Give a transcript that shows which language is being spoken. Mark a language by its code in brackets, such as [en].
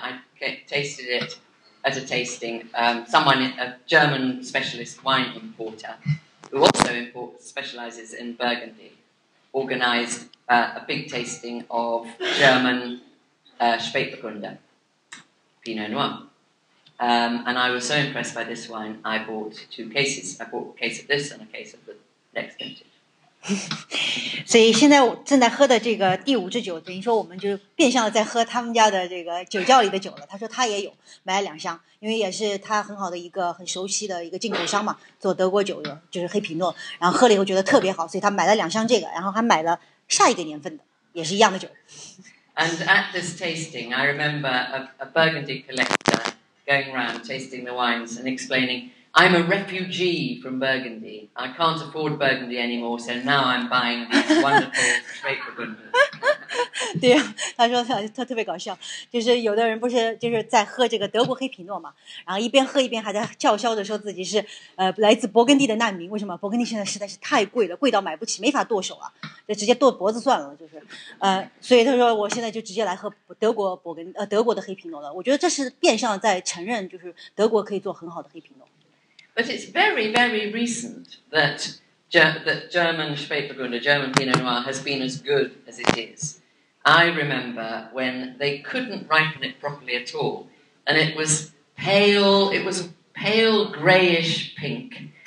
[en] I tasted it at a tasting. Someone, a German specialist wine importer, who also specializes in Burgundy, organized a big tasting of German Spätburgunder, Pinot Noir. And I was so impressed by this wine, I bought two cases. I bought a case of this and a case of the next vintage. [zh] 所以现在正在喝的这个第五支酒，等于说我们就变相的在喝他们家的这个酒窖里的酒了。他说他也有买了两箱，因为也是他很好的一个很熟悉的一个进口商嘛，做德国酒的，就是黑皮诺。然后喝了以后觉得特别好，所以他买了两箱这个，然后还买了下一个年份的，也是一样的酒。 [en] And at this tasting, I remember a Burgundy collector going around tasting the wines and explaining. I'm a refugee from Burgundy. I can't afford Burgundy anymore, so now I'm buying these wonderful Spätburgunder. [zh] 对呀、啊，他说他特别搞笑，就是有的人不是就是在喝这个德国黑皮诺嘛，然后一边喝一边还在叫嚣着说自己是来自勃艮第的难民。为什么？勃艮第现在实在是太贵了，贵到买不起，没法剁手啊，就直接剁脖子算了。就是所以他说我现在就直接来喝德国的黑皮诺了。我觉得这是变相在承认，就是德国可以做很好的黑皮诺。 [en] But it's very, very recent that German Spätburgunder, German Pinot Noir, has been as good as it is. I remember when they couldn't ripen it properly at all, and it was pale, it was a pale greyish pink.